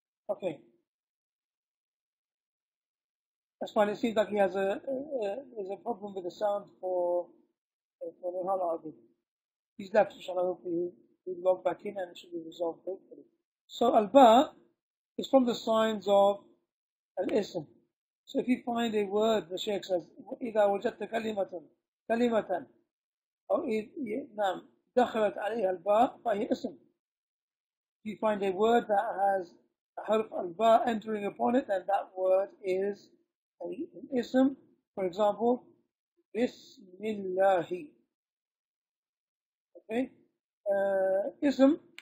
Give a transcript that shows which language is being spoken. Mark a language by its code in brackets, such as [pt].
[en] Okay, that's fine. It seems like he has a problem with the sound for Nihal Abu. He's left, inshallah. Hopefully he'll log back in and it should be resolved hopefully. So Al-Ba is from the signs of Al-Ism. So if you find a word, the Shaykh says, [ar] إِذَا وَجَدْتَ كَلِمَةً كَلِمَةً أو نعم دَخَلَتْ عَلَيْهَا الْبَا فَهِيَ إِسْم. [en] If you find a word that has harf al-ba entering upon it, and that word is an ism. For example, Bismillahi. Okay, ism.